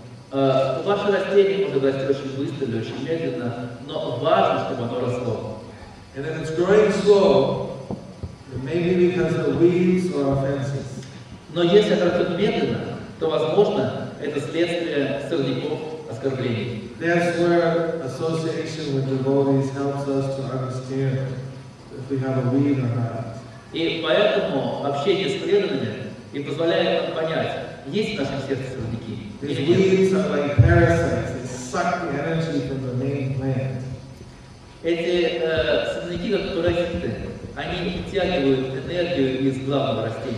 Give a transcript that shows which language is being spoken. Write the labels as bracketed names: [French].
[Russian] Ваше растение может расти очень быстро или очень медленно, но важно, чтобы оно росло. [English] And if it's growing slow, it may be because of weeds or offenses. [Russian] Но если это растет медленно, то возможно это следствие сорняков оскорблений. [English] That's where association with devotees helps us to understand if we have a weed or not. [Russian] И поэтому общение с преданными и позволяет нам понять, есть в нашем сердце сорняки. Эти сорняки, как паразиты, они вытягивают энергию из главного